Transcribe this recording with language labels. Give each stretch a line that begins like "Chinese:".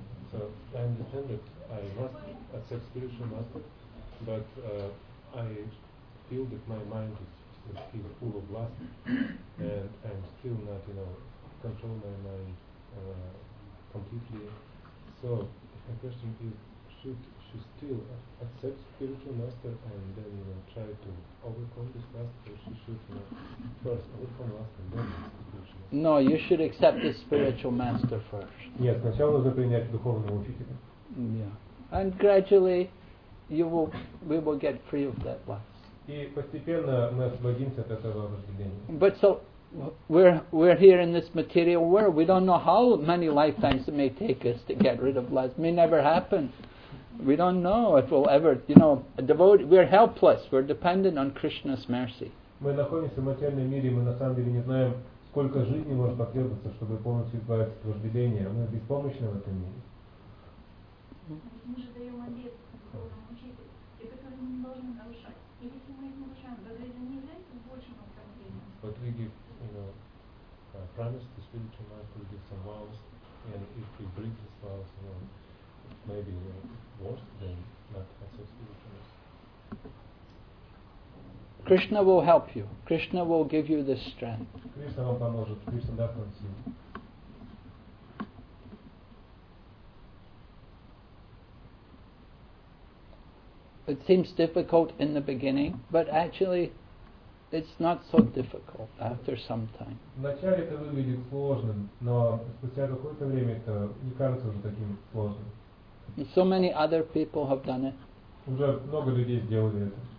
English: So I understand that I must accept spiritual master, but I feel that my mind is still full of lust, and I'm still not, you know, control my mind completely. So my question is, should still accept spiritual master and then, you know, try to overcome this lust, or she should, you know, first overcome lust and then? No, you should accept the spiritual master first.
Russian: Нет, сначала нужно принять духовного учителя.
English: Yeah, and gradually we will get free of that lust.
Russian: И постепенно мы освободимся от этого вожделения.
English: But so we're here in this material world. We don't know how many lifetimes it may take us to get rid of lust. May never happen. We don't know if we'll ever, you know, devotee. We're helpless. We're dependent on Krishna's mercy.
Russian: Мы находимся в материальном мире, мы на самом деле не знаем. Сколько жизни может потребоваться, чтобы полностью избавиться от вожделения? Мы беспомощны в этом мире. Мы же даем обет духовному учителю, который мы не должны нарушать. И если мы их нарушаем, разве это не является большим оскорблением?
English: But we give, you know, promise to spiritual master, we give some vows, and if we break this vows, you know, maybe worse than not accept spiritual master. Krishna will help you. Krishna will give you the strength.
Russian: Кришна вам поможет, Кришна даст вам силу.
English: It seems difficult in the beginning, but actually it's not so difficult after some time.
Russian: Вначале это выглядит сложным, но спустя какое-то время это не кажется уже таким сложным.
English: And so many other people have done it.
Russian: Уже много людей сделали это.